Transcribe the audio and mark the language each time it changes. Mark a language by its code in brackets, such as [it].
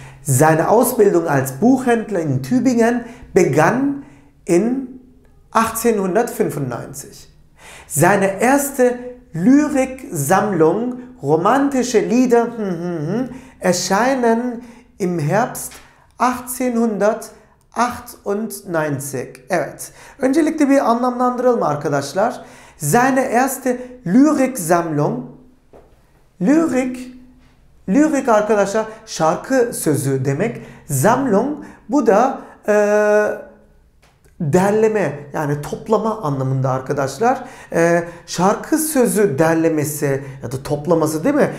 [de] Seine Ausbildung als Buchhändler in Tübingen begann in 1895. Seine erste Lyriksammlung romantische Lieder erscheinen im Herbst 1898. [tr] Evet. Öncelikle bir anlamlandıralım arkadaşlar. [de] Seine erste Lyriksammlung. Lyrik. [tr] Lyrik arkadaşlar şarkı sözü demek. Sammlung bu da derleme yani toplama anlamında arkadaşlar. Şarkı sözü derlemesi ya da toplaması değil mi?